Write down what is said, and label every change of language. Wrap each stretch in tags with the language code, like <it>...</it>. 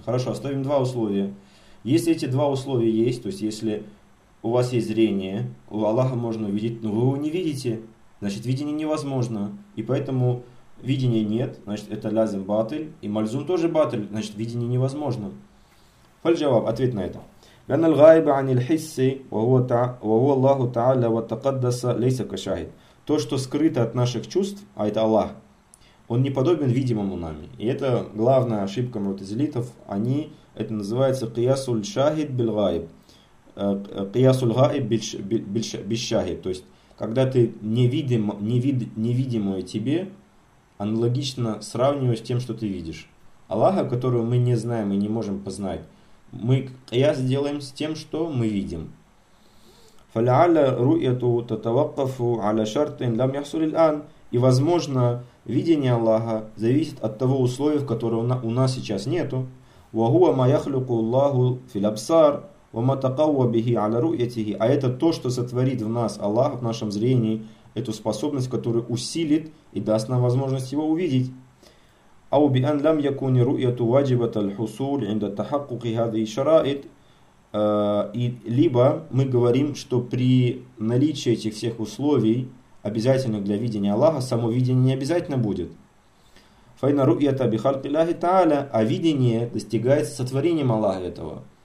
<ru>Хорошо, оставим 2 условия. Если эти 2 условия есть, то есть если у вас есть зрение, у Аллаха можно увидеть, но вы его не видите, значит, видение невозможно. И поэтому видения нет, значит, это лазим батль, и мальзум тоже батль, значит, видение невозможно. Фальджаваб, ответ на это.</ru> <ar>لأن الغائب عن الحس وهو الله تعالى وتقدس ليس كشاهد.</ar> <ru>То, что скрыто от наших чувств, а это Аллах, он не подобен видимому нами. И это главная ошибка мутазилитов. Они, это называется</ru> <ar>«Киясуль шахид биль гаиб». «Киясуль гаиб биль шахид».</ar> <ru>То есть, когда ты невидимое тебе, аналогично сравниваешь с тем, что ты видишь. Аллаха, которого мы не знаем и не можем познать, мы «Кияс» делаем с тем, что мы видим.</ru> <ar>فلعل رؤيته تتوقف على شرط لم يحصل الآن.</ar> <ru>И возможно, видение Аллаха зависит от того условия, в котором у нас сейчас нету.</ru> <ar>وهو ما يخلق الله في الأبصار وما تقوى به على رؤيته.</ar> <ru>А это то, что сотворит в нас Аллах в нашем зрении эту способность, которая усилит и даст нам возможность его увидеть.</ru> <ar>أو بأن لم يكن رؤيته واجبة الحصول عند تحقق هذه الشرائط.</ar> <ru>И либо мы говорим, что при наличии этих всех условий, обязательных для видения Аллаха, само видение не обязательно будет.</ru> <ar>Файна руята бихалки ляхи тааля,</ar> <ru>а видение достигается сотворением Аллаха этого.</ru>